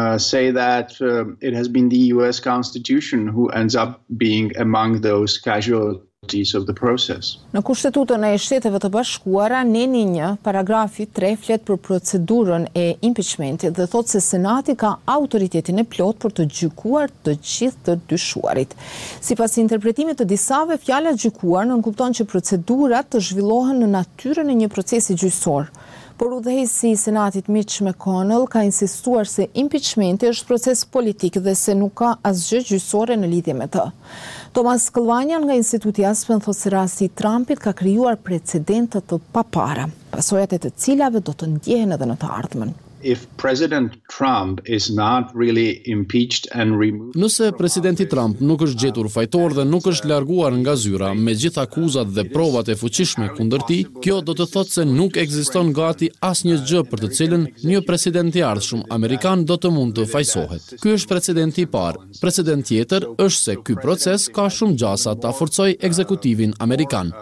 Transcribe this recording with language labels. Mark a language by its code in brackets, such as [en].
[en] Say that it has been the US Constitution who ends up being among those casualties of the process. [sq] Në Kushtetutën e Shteteve të Bashkuara, neni 1, paragrafi 3 flet për procedurën e impeachmentit dhe thot se Senati ka autoritetin e plot për të gjykuar të gjithë të dyshuarit. Sipas interpretimit të disave, fjala gjykuar nënkupton që procedurat të zhvillohen në natyrën e një procesi gjyqësor. Por udhëheqësi i Senatit Mitch McConnell ka insistuar se impeachmenti është proces politik dhe se nuk ka asgjë gjyqësore në lidhje me të. Thomas Kalvanian nga Instituti Aspen thot se rasti i Trumpit ka krijuar precedente të papara, pasojat e të cilave do të ndjehen edhe në të ardhmen. [en] If President Trump is not really impeached and removed, [sq] nëse presidenti Trump nuk është gjetur fajtor dhe nuk është larguar nga zyra me gjithë akuzat dhe provat e fuqishme kundër tij, kjo do të thotë se nuk ekziston gati asnjë gjë për të cilën një president i ardhshëm amerikan do të mund të fajsohet. Ky është precedenti i parë. Precedenti tjetër është se ky proces ka shumë gjasa ta forcojë ekzekutivin amerikan.